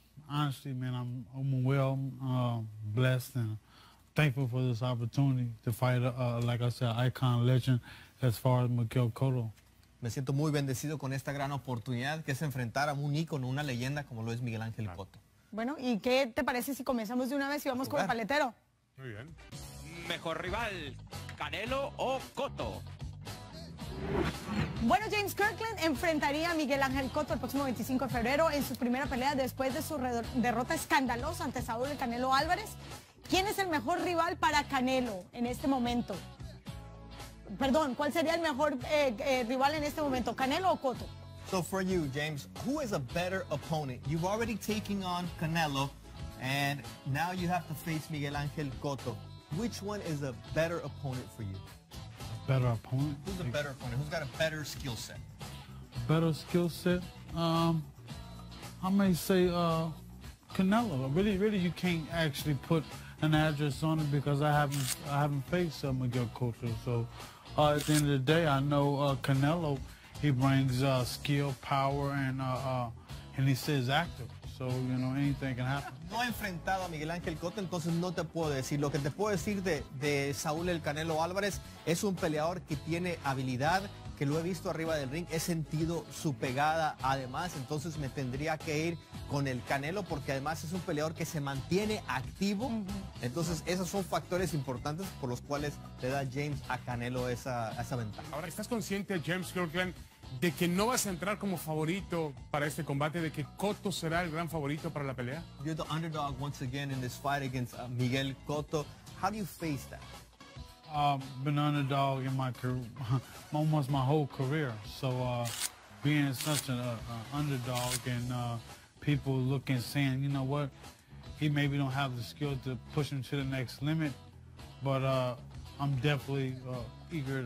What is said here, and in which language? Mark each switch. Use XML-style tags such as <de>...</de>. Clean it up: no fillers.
<en>Honestly, man, I'm blessed and thankful for this opportunity to fight, like I said, icon legend as far as Miguel Cotto.</en> <es>Me siento muy bendecido con esta gran oportunidad que es enfrentar a un ícono, una leyenda como lo es Miguel Ángel Cotto. Bueno, ¿y qué te parece si comenzamos de una vez y vamos con el paletero? Muy bien. Mejor rival, Canelo o Cotto. Bueno, James Kirkland enfrentaría a Miguel Ángel Cotto el próximo 25 de febrero en su primera pelea después de su derrota escandalosa ante Saúl Canelo Álvarez. ¿Quién es el mejor rival para Canelo en este momento? Perdón, ¿cuál sería el mejor rival en este momento, Canelo o Cotto?</es> <en>So for you, James, who is a better opponent? You've already taken on Canelo and now you have to face Miguel Ángel Cotto. Which one is a better opponent for you? Better opponent? Who's a better opponent? Who's got a better skill set? Better skill set? I may say Canelo. Really, really, you can't actually put an address on it because I haven't faced Miguel Cotto. So at the end of the day, I know Canelo, he brings skill, power, and he stays active. So, you know, anything can happen.</en> <es>No he enfrentado a Miguel Ángel Cotto, entonces no te puedo decir. Lo que te puedo decir de Saúl el Canelo Álvarez es un peleador que tiene habilidad, que lo he visto arriba del ring, he sentido su pegada además, entonces me tendría que ir con el Canelo porque además es un peleador que se mantiene activo. Entonces esos son factores importantes por los cuales le da James a Canelo esa ventaja. Ahora, ¿estás consciente, James Kirkland, de que no vas a entrar como favorito para este combate, de que Cotto será el gran favorito para la pelea?</es> <en>You're the underdog once again in this fight against Miguel Cotto. How do you face that? I've been underdog in my career, almost my whole career. So being such an underdog and people looking, saying, you know what, he maybe don't have the skill to push him to the next limit, but I'm definitely eager.</en>